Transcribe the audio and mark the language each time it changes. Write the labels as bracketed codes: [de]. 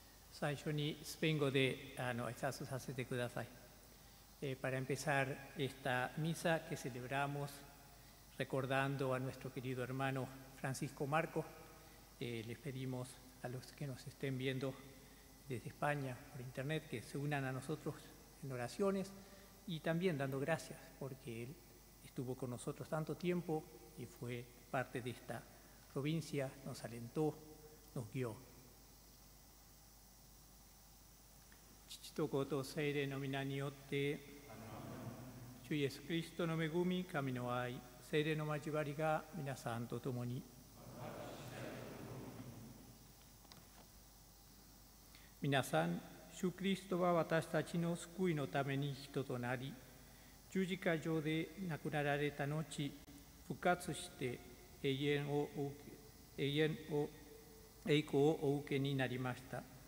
[ja] 最初にスペイン語で挨拶させてください。 [es] Para empezar esta misa que celebramos recordando a nuestro querido hermano Francisco Marcos, les pedimos a los que nos estén viendo desde España por internet que se unan a nosotros en oraciones y también dando gracias porque él estuvo con nosotros tanto tiempo y fue parte de esta provincia, nos alentó, nos guió. [ja] 父と子と聖霊の皆によって、主イエスキリストの恵み、神の愛、聖霊の交わりが皆さんと共に。皆さん、主キリストは私たちの救いのために人となり、十字架上で亡くなられた後、復活して栄光をお受けになりました。